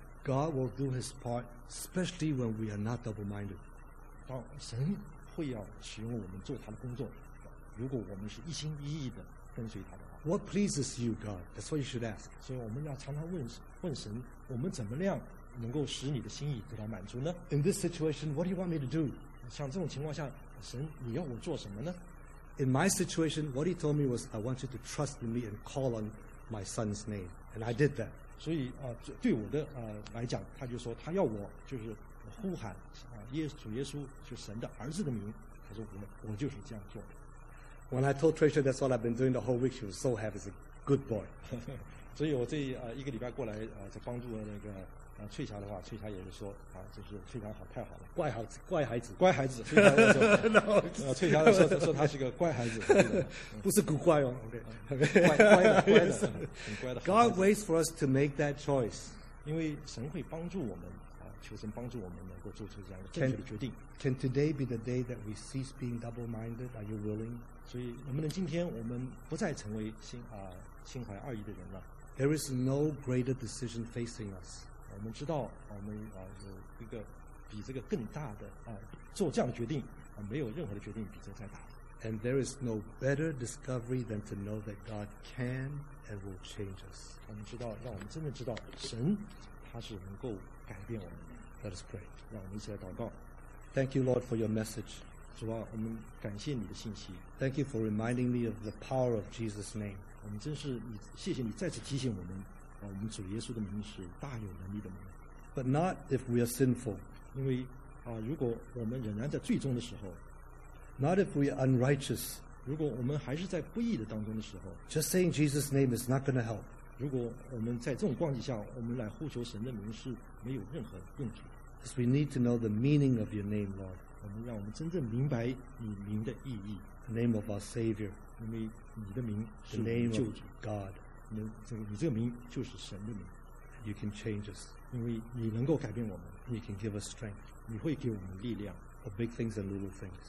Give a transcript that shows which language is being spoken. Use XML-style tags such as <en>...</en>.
<en>God will do His part, especially when we are not double-minded.</en> <zh>当神会要使用我们做他的工作，如果我们是一心一意的跟随他的话。</zh> <en>What pleases you, God? That's what you should ask.</en> <zh>所以我们要常常问神，我们怎么样能够使你的心意得到满足呢？</zh> <en>In this situation, what do you want me to do?</en> <zh>像这种情况下，神，你要我做什么呢？</zh> <en>In my situation, what He told me was, I want you to trust in me and call on my son's name. And I did that.</en> <zh>所以、对我的、来讲，他就说他要我就是呼喊、主耶稣，就神的儿子的名。他说我就是这样做。</zh> <en>When I told Tricia that's what I've been doing the whole week, she was so happy. It's a good boy.</en> <zh>所以我这、一个礼拜过来、在帮助那个翠霞的话，翠霞也是说啊，就是非常好，太好了，怪孩子，怪孩子，乖孩子。翠霞说，说他是个乖孩子，不是古怪哦。 OK， 乖的，很乖的。</zh> <en>God waits for us to make that choice，</en> <zh>因为神会帮助我们啊，求神帮助我们能够做出这样的正确的决定。</zh> <en>Can today be the day that we cease being double-minded? Are you willing？</en> <zh>所以能不能今天我们不再成为心怀二意的人了</zh> <en>？There is no greater decision facing us。</en> <zh>我们知道我们、有一个比这个更大的、做这样的决定、没有任何的决定比这个再大的。</zh> <en>And there is no better discovery than to know that God can and will change us.</en> <zh>我们知道，让我们真的知道神他是能够改变我们的。</zh> <en>Let us pray.</en> <zh>让我们一起来祷告。</zh> <en>Thank you Lord for your message.</en> <zh>主啊，我们感谢你的信息。</zh> <en>Thank you for reminding me of the power of Jesus' name.</en> <zh>我们真是谢谢你再次提醒我们我们主耶稣的名是大有能力的名。</zh> <en>But not if we are sinful，</en> <zh>因为、如果我们仍然在罪中的时候。</zh> <en>Not if we are unrighteous，</en> <zh>如果我们还是在不义的当中的时候。</zh> <en>Just saying Jesus' name is not going to help，</en> <zh>如果我们在这种光景下我们来呼求神的名是没有任何用处。</zh> <en>As we need to know the meaning of your name Lord，</en> <zh>我们让我们真正明白你名的意义。</zh> <en>The name of our Savior，</en> <zh>因为你的名是我们救主。</zh> <en>The name of God，</en> <zh>你这个名就是神的名。</zh> <en>You can change us，</en> <zh>因为你能够改变我们。</zh> <en>You can give us strength，</en> <zh>你会给我们力量。</zh> <en>For big things and little things，</en>